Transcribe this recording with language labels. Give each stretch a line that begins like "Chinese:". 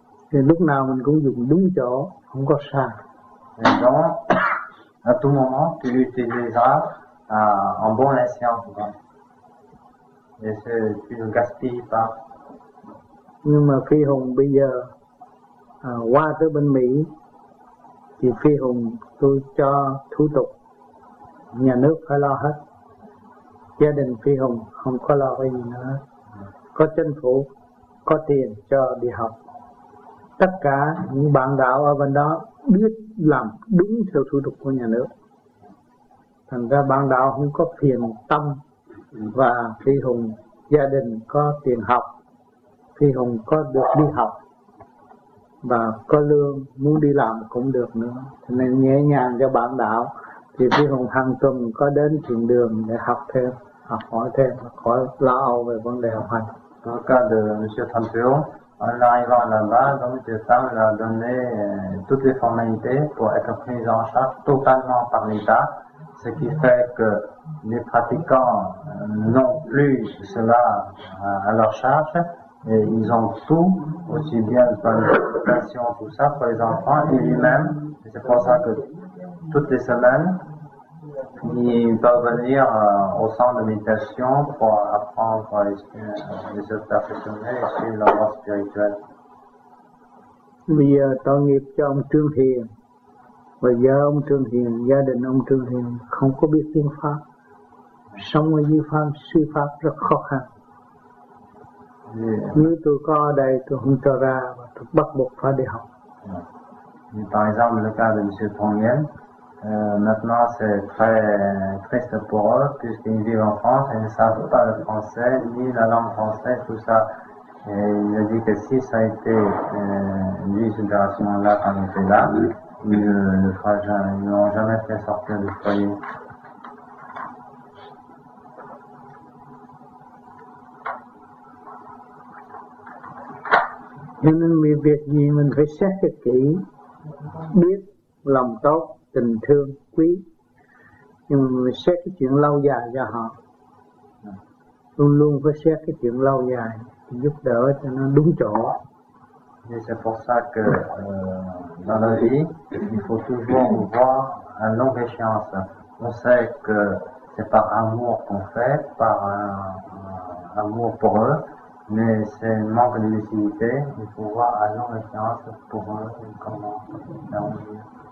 Vietnamese: Thì lúc nào mình cũng dùng đúng chỗ, không có sai. Thì đó,
French: à tout moment, tu l'utiliseras en bon escient. Et c'est, tu ne gaspilles pas.
Vietnamese: Nhưng mà Phi Hùng bây giờ qua tới bên Mỹ, thì Phi Hùng tôi cho thủ tục, nhà nước phải lo hết. Gia đình Phi Hùng không có lo cái gì nữa. Có chính phủ, có tiền cho đi học, tất cả những bạn đạo ở bên đó biết làm đúng theo thủ tục của nhà nước, thành ra bạn đạo không có phiền tâm. Và Phi Hùng gia đình có tiền học, Phi Hùng có được đi học và có lương, muốn đi làm cũng được nữa, cho nên nhẹ nhàng cho bạn đạo. Thì Phi Hùng hàng tuần có đến thiền đường để học thêm, học hỏi thêm, khỏi lo âu về vấn đề học hành.
French: Dans le cas de M. Tantio, en arrivant là-bas, donc cette femme lui a donné toutes les formalités pour être prise en charge totalement par l'État, ce qui fait que les pratiquants n'ont plus cela à leur charge, et ils ont tout, aussi bien pour l'éducation, tout ça, pour les enfants, et lui-même, et c'est pour ça que toutes les semaines, ils peuvent venir au centre de méditation pour apprendre les se perfectionner et suivre leur voie spirituelle.
Vietnamese: Bây giờ tội nghiệp cho ông Trương Hiền, và vợ ông Trương Hiền, gia đình ông Trương Hiền không có biết tiếng Pháp, sống ở dưới Pháp, sư Pháp rất khó khăn. Nếu tôi có ở đây, tôi không cho ra và tôi bắt buộc phải đi học.
French: Par exemple, le cas de M. Tong Yen, maintenant c'est très triste pour eux puisqu'ils vivent en France et ils ne savent pas le français ni la langue française, tout ça. Et il a dit que si ça a été lui, cette génération-là, quand il était là, ils ne l'ont jamais fait sortir du foyer.
Vietnamese: Cho nên vì việc gì mình phải xét cho kỹ, biết lòng tốt, tình thương, quý. Nhưng mà mình xét cái chuyện lâu dài cho họ. Luôn luôn phải xét cái chuyện lâu dài, giúp đỡ cho nó đúng chỗ.
French: Et c'est pour ça que dans la vie, il faut toujours voir à longue échéance. On sait que c'est par amour qu'on fait, par amour pour eux, mais c'est un manque de lucidité. Il faut voir à longue échéance pour eux et comment faire en vivre.